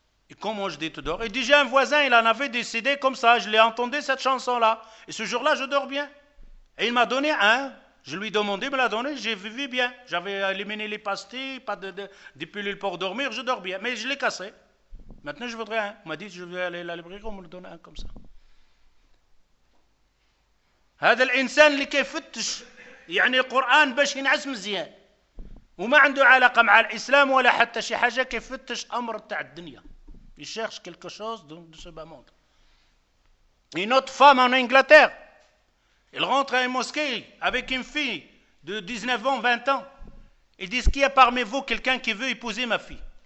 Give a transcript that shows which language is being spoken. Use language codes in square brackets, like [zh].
[fr] Et comment je dis, tu dors? Il dit, j'ai un voisin, il en avait décidé comme ça, je l'ai entendu cette chanson-là. Et ce jour-là, je dors bien. Et il m'a donné un, je lui ai demandé, il me l'a donné, j'ai vécu bien. J'avais éliminé les pastilles, pas de pilules pour dormir, je dors bien. Mais je l'ai cassé. Maintenant, je voudrais un. On m'a dit, je vais aller à la librairie, on me le donne un comme ça. [ar] هذا الانسان اللي كيفتش يعني القران باش ينعس مزيان وما عنده علاقه مع الاسلام ولا حتى شي حاجه كيفتش امر تاع الدنيا [fr] il cherche quelque chose de ce bas monde. Une autre femme en Angleterre, il rentre à une mosquée avec une fille de 19 ans, 20 ans. Il dit, est-ce qu'il y a parmi vous quelqu'un qui veut épouser ma fille?